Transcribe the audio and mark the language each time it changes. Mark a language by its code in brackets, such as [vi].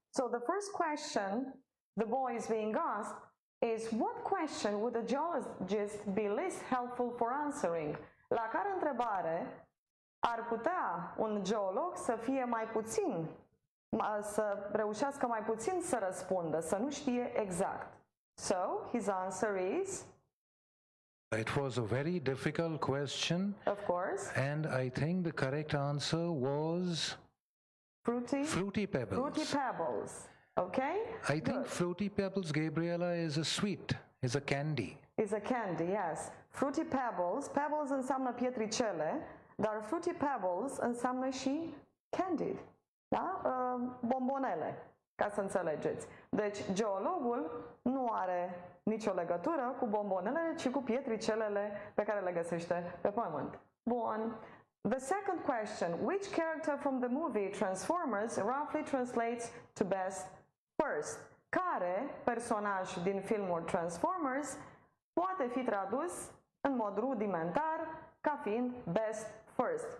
[en] So the first question the boy is being asked is, what question would a geologist be least helpful for answering? [ro] La care întrebare ar putea un geolog să fie mai puțin, să reușească mai puțin să răspundă, să nu știe exact? [en] So his answer is... It was a very difficult question. Of course. And I think the correct answer was... Fruity pebbles. Fruity pebbles. Okay? I think good. Fruity pebbles, Gabriela, is a sweet, is a candy. Is a candy, yes. Fruity pebbles. [ro] Pebbles înseamnă pietricele, dar fruity pebbles înseamnă și candied. Da? Bombonele, ca să înțelegeți. Deci, geologul nu are nicio legătură cu bombonele, ci cu pietricelele pe care le găsește pe pământ. Bun. [en] The second question, which character from the movie Transformers roughly translates to best first? [ro] Care personaj din filmul Transformers poate fi tradus în mod rudimentar ca fiind best first?